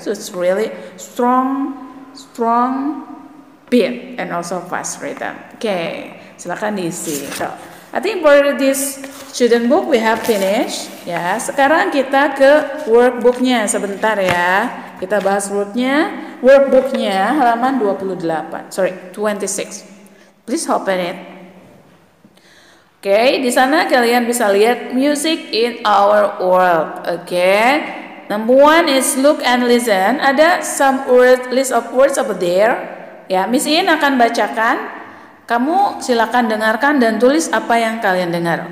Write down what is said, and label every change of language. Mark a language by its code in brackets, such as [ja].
[en] So it's really strong beat and also fast rhythm. Okay. [id] Silakan diisi. [en] So, I think for this student book we have finished. [id] Ya, sekarang kita ke workbooknya sebentar ya. Kita bahas workbooknya halaman 28. [en] Sorry, 26. Please open it. Okay, [id] di sana kalian bisa lihat [en] music in our world. Okay. Number one is look and listen. Ada some word, list of words over there. [id] Ya, Miss Ian akan bacakan. Kamu silakan dengarkan dan tulis apa yang kalian dengar.